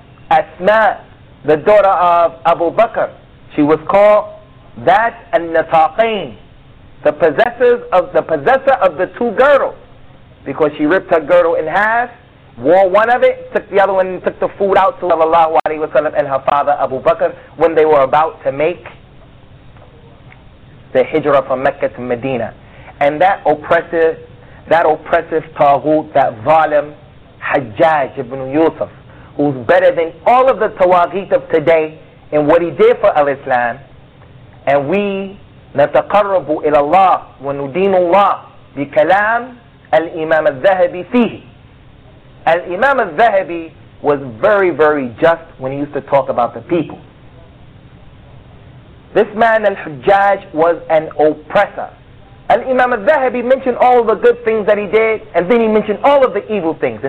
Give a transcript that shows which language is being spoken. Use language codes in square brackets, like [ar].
[en] Asma, the daughter of Abu Bakr, she was called that al-Nataqin, the possessors of the possessor of the two girdles, because she ripped her girdle in half, wore one of it, took the other one and took the food out to Sallallahu Alaihi Wasallam and her father Abu Bakr when they were about to make the hijrah from Mecca to Medina. And that oppressive taghut, that zalim Hajjaj ibn Yusuf, who's better than all of the tawaghit of today in what he did for al-Islam. And we [ar] نتقرب إلى الله وندين الله بكلام الإمام الذهبي فيه. [en] Al-Imam al-Zahabi was very, very just when he used to talk about the people. This man al-Hujjaj was an oppressor. Al-Imam al-Zahabi mentioned all of the good things that he did, and then he mentioned all of the evil things.